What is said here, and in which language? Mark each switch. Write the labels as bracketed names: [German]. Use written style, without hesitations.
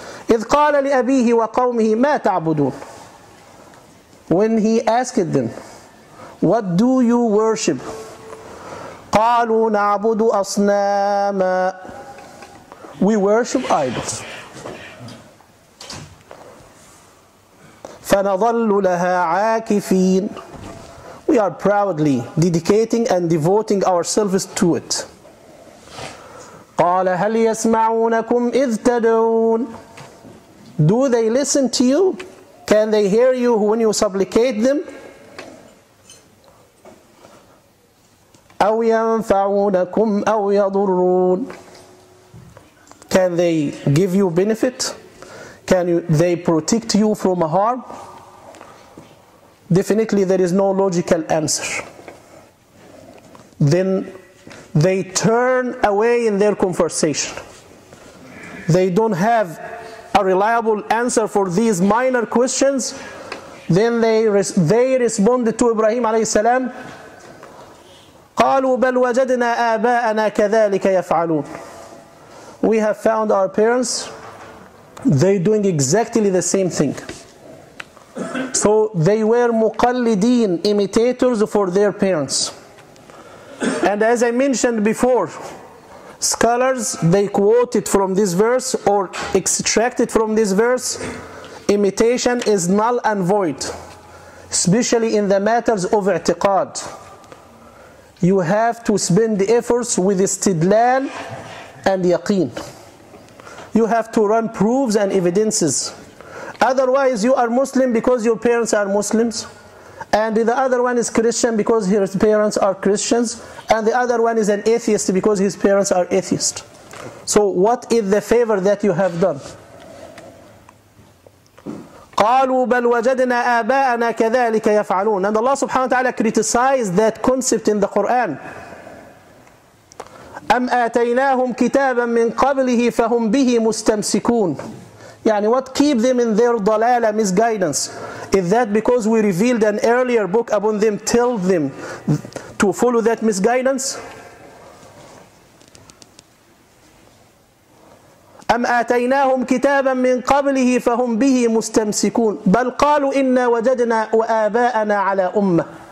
[Arabic] إذ قال لأبيه وقومه ما تعبدون. [English] When he asked them, what do you worship? [Arabic] قالوا نعبد أصناما. [English] We worship idols. [Arabic] فنظل لها عاكفين. [English] We are proudly dedicating and devoting ourselves to it. [Arabic] قال هل يسمعونكم إذ تدعون. [English] Do they listen to you? Can they hear you when you supplicate them? [Arabic] أو ينفعونكم أو يضرون. [English] Can they give you benefit? Can they protect you from harm? Definitely there is no logical answer. Then they turn away in their conversation. They don't have a reliable answer for these minor questions. Then they responded to Ibrahim alayhi salam. [Arabic] قالوا بل وجدنا آباءنا كذلك يفعلون. [English] We have found our parents, they doing exactly the same thing. So they were muqallideen, imitators for their parents. And as I mentioned before, scholars, they quoted from this verse or extracted from this verse, imitation is null and void, especially in the matters of i'tiqad. You have to spend efforts with istidlal and yaqeen. You have to run proofs and evidences. Otherwise, you are Muslim because your parents are Muslims, and the other one is Christian because his parents are Christians, and the other one is an atheist because his parents are atheist. So what is the favor that you have done? [Arabic] قالوا بل وجدنا آباءنا كذلك يفعلون. [English] And Allah subhanahu wa ta'ala criticized that concept in the Quran. [Arabic] أم آتيناهم كتابا من قبله فهم به مستمسكون. [English] يعني what keep them in their dalala, misguidance? Is that because we revealed an earlier book upon them, tell them to follow that misguidance? [Arabic] أم آتيناهم كتابا من قبله فهم به مستمسكون. بل قالوا إنا وجدنا وآباءنا على أمة.